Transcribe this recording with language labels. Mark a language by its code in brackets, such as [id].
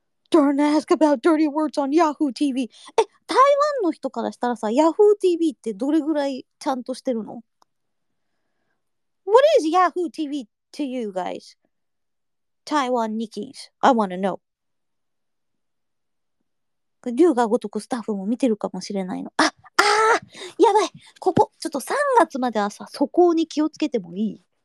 [en] Don't ask about dirty words on Yahoo TV. [ja] 台湾の人からしたらさ、Yahoo TV ってどれぐらいちゃんとしてるの？ [en] What is Yahoo TV to you guys? Taiwan Nikkies. I wanna know. [ja] 龍が如くスタッフも見てるかもしれないの。ああ、やばい。ここ、ちょっと3月まではさ、そこに気をつけてもいい？